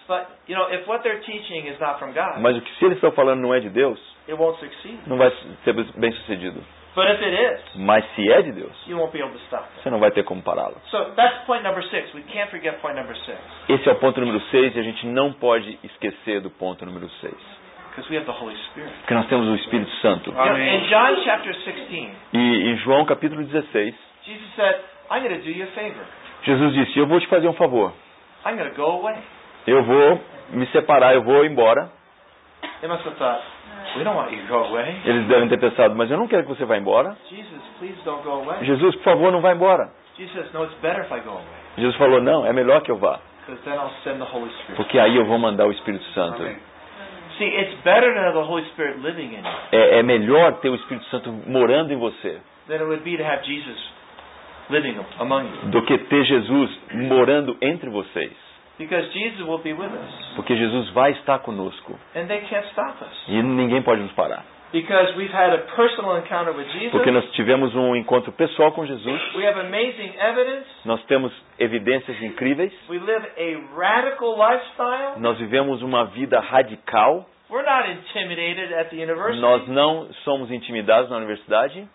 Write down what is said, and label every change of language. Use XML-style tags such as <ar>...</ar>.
<en>But, you know, if what they're teaching is not from God,</en> <pt>mas o que se eles estão falando não é de Deus,</pt> <en>it won't succeed.</en> <pt>Não vai ser bem sucedido.</pt> <en>But if it is,</en> <pt>mas se é de Deus,</pt> <en>you won't be able to stop them.</en> <pt>Você não vai ter como pará-lo.</pt> <en>So that's point number 6. We can't forget point number 6.</en> <pt>Esse é o ponto número 6 e a gente não pode esquecer do ponto número 6.</pt> <en>Because we have the Holy Spirit.</en> <pt>Porque nós temos o Espírito Santo.</pt> <en>Amém. In John chapter 16.</en> <pt>E em João capítulo 16.</pt> <en>Jesus said, I'm going to do you a favor.</en> <pt>Jesus disse, eu vou te fazer um favor.</pt> <en>I'm going to go away.</en> <pt>Eu vou me separar, eu vou embora.</pt> <en>They must have thought, we don't want you to go away.</en> <pt>Eles devem ter pensado, mas eu não quero que você vá embora.</pt> <en>Jesus, please don't go away.</en> <pt>Jesus, por favor, não vá embora.</pt> <en>Jesus, no, it's better if I go away.</en> <pt>Jesus falou, não, é melhor que eu vá.</pt> <en>Because then I'll send the Holy Spirit.</en> <pt>Porque aí eu vou mandar o Espírito Santo.</pt> <en>Okay. See, it's better to have the Holy Spirit living in you.</en> <pt>É melhor ter o Espírito Santo morando em você.</pt> <en>Than it would be to have Jesus living among you.</en> <pt>Do que ter Jesus morando entre vocês.</pt> <en>Because Jesus will be with us.</en> <pt>Porque Jesus vai estar conosco.</pt> <en>And they can't stop us.</en> <pt>E ninguém pode nos parar.</pt> <en>Because we've had a personal encounter with Jesus.</en> <pt>Porque nós tivemos um encontro pessoal com Jesus.</pt> <en>We have amazing evidence.</en> <pt>Nós temos evidências incríveis.</pt> <en>We live a radical lifestyle.</en> <pt>Nós vivemos uma vida radical.</pt> <en>We're not intimidated at the university.</en> <pt>Nós não somos intimidados na universidade.</pt>